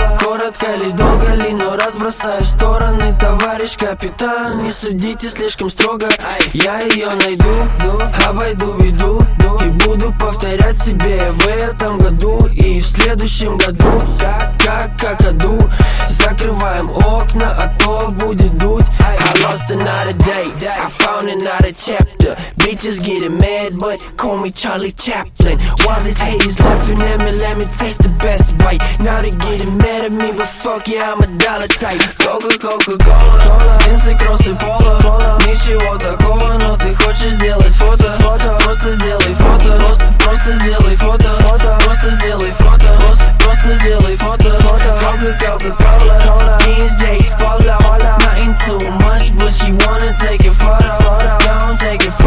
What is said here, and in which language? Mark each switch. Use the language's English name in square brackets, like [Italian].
[Russian] Коротко ли, долго ли, но разбросаю в стороны. Товарищ капитан, не судите слишком строго. Я ее найду, обойду беду, и буду повторять себе в этом году и в следующем году. Как аду, закрываем окна, а то будет дуть. [English] I lost another day, I found another chapter. Bitches getting mad, but call me Charlie Chaplin. While this hate is laughing at me, let me taste the best bite. Now they getting mad at me, but fuck yeah, I'm a dollar type. [Russian] Coca-Cola, джинсы, кроссы, поло. Ничего такого, но ты хочешь сделать фото. Фото, просто сделай фото. Просто сделай фото. Фото, просто сделай фото. Просто сделай фото. [English] Фото, Coca-Cola, jeans, Jays, Paula. Nothing too much, but she wanna take a photo.